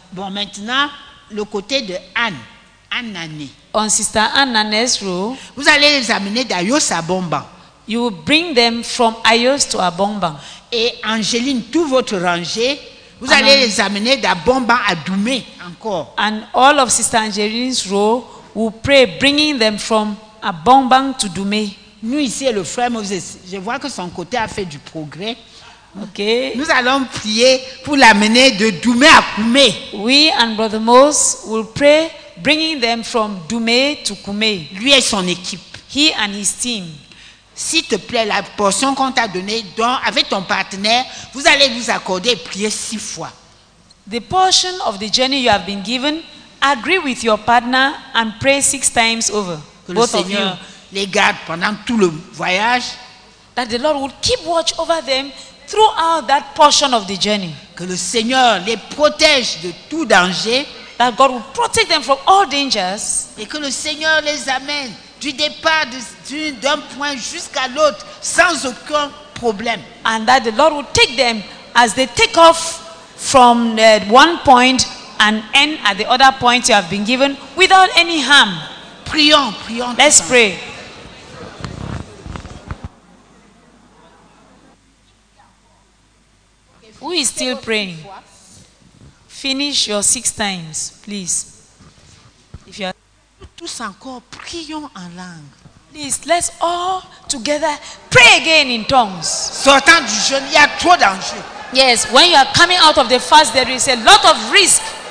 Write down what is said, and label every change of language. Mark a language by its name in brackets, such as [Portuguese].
[French] Bon, maintenant, le côté de Anne, Anne Nané. [English] On sister Anne Nané's row. [French] Vous allez les amener d'Ayos à Bomba. [English] You will bring them from Ayos to Abomba. [French] Et Angeline, tout votre rangée, vous and allez les amener d'Abomba à Doumé encore. [English] And all of Sister Angeline's row will pray bringing them from Abomba to Doumé. [French] Nous ici, le frère Moses, je vois que son côté a fait du progrès. Ok. Nous allons prier pour l'amener de Doumé à Koumé. [English] We and Brother Moses will pray bringing them from Doumé to Koumé. [French] Lui et son équipe. [English] He and his team. [French] S'il te plaît, la portion qu'on t'a donnée, donc avec ton partenaire, vous allez vous accorder et prier six fois. [English] The portion of the journey you have been given, agree with your partner and pray six times over. [French] Que le Seigneur les garde pendant tout le voyage. [English] That the Lord will keep watch over them throughout that portion of the journey. [French] Que le Seigneur les protège de tout danger. [English] That God will protect them from all dangers. [French] Et que le Seigneur les amène du départ d'un point jusqu'à l'autre sans aucun problème. [English] And that the Lord will take them as they take off from one point and end at the other point you have been given without any harm. [French] Prions, prions. [English] Let's pray. Who is still praying? Finish your six times, please. If you are [French] tous encore, prions en langue. [English] Please, let's all together pray again in tongues. [French] Sortant du jeûne, il y a trop d'enjeux. [English] Yes, when you are coming out of the fast, there is a lot of risk.